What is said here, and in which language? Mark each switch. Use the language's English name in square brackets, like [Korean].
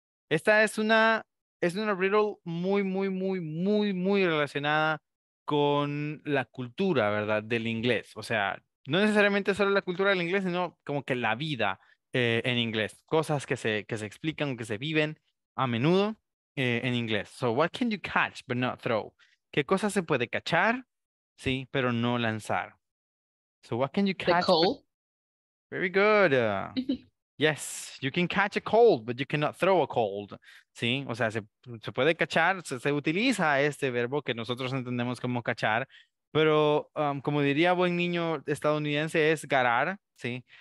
[Spanish] Esta es una riddle muy, muy, muy, muy, muy relacionada con la cultura, ¿verdad? Del inglés. O sea, no necesariamente solo la cultura del inglés, sino como que la vida en inglés. Cosas que se explican, que se viven a menudo en inglés. [English] So, what can you catch but not throw? [Spanish] ¿Qué cosa se puede cachar, sí, pero no lanzar? [English] So, what can you catch? The cold. Very good. yes, you can catch a cold, but you cannot throw a cold. [Spanish] Sí, o sea, se puede cachar, se utiliza este verbo que nosotros entendemos como cachar, pero como diría buen niño estadounidense, es garar, sí.